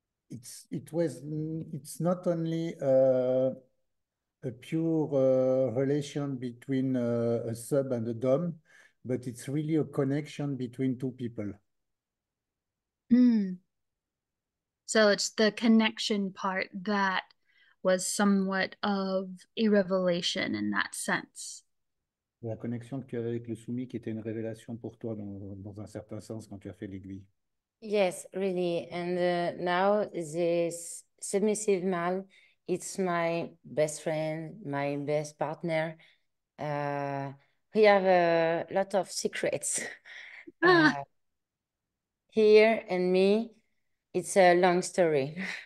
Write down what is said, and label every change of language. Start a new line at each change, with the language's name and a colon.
English: It's not only a pure relation between a sub and a dom, but it's really a connection between two people. So it's the connection part that was somewhat of a revelation in that sense.
French: La connexion que tu avais avec le soumis qui était une révélation pour toi dans un certain sens quand tu as fait l'aiguille.
English: Yes, really. And now this submissive man, it's my best friend, my best partner. We have a lot of secrets. Here and me, it's a long story.